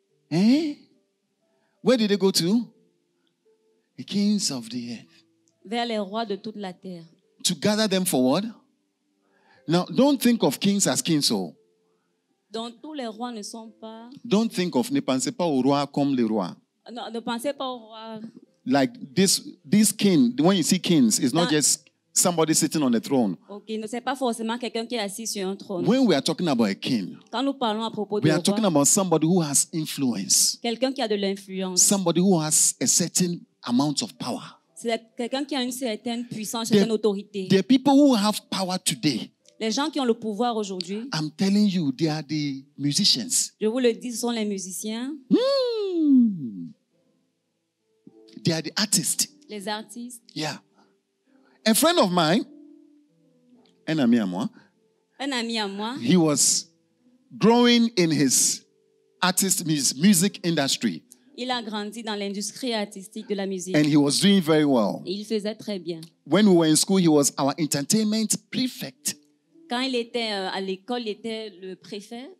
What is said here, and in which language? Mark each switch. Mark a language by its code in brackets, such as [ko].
[en] Eh? Where do they go to? The kings of the earth. [fr] Vers les rois de toute la terre. [en] To gather them forward. Now, don't think of kings as kings. Oh. [fr] Donc tous les rois ne sont pas. [en] Don't think of. [fr] Ne pensez pas au roi comme les rois. Non, ne pensez pas au roi. [en] Like this king. When you see kings, it's not just somebody sitting on a throne. [fr] Okay, no, c'est pas forcément quelqu'un qui est assis sur un trône. [en] When we are talking about a king, [fr] quand nous parlons à propos [en] de we are talking about somebody who has influence. [fr] Quelqu'un qui a de l'influence. [en] Somebody who has a certain amount of power. [fr] C'est quelqu'un qui a une certaine puissance, une certaine autorité. [en] The people who have power today. [fr] Les gens qui ont le pouvoir aujourd'hui. [en] I'm telling you, they are the musicians. [fr] Je vous le dis, ce sont les musiciens. [en] They are the artists. [fr] Les artistes. [en] Yeah. A friend of mine, [fr] un ami à moi, [en] he was growing in his artist music industry. [fr] Il a grandi dans l'industrie artistique de la musique. [en] And he was doing very well. [fr] Il faisait très bien. [en] When we were in school, he was our entertainment prefect. [fr] Quand il était à l'école, il était le préfet,